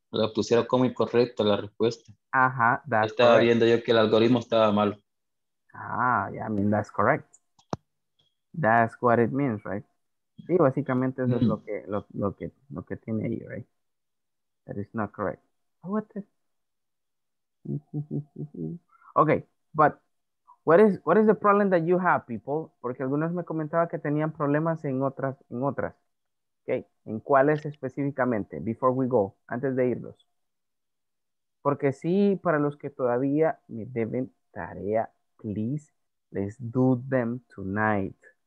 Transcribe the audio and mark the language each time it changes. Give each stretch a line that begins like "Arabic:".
Spanish: La pusieron como incorrecta la respuesta. Ajá. Estaba viendo yo que el algoritmo estaba mal.
English: Ah, yeah, I mean, that's correct. That's what it means, right?
Spanish: Sí, básicamente eso es lo que tiene ahí, right?
English: That is not correct. What the... Okay, but What is the problem that you have, people?
Spanish: Porque algunos me comentaban que tenían problemas en otras. Okay. ¿En cuáles específicamente?
English: Before we go,
Spanish: antes de irnos. Porque sí, para los que todavía me deben tarea,
English: please, let's do them tonight.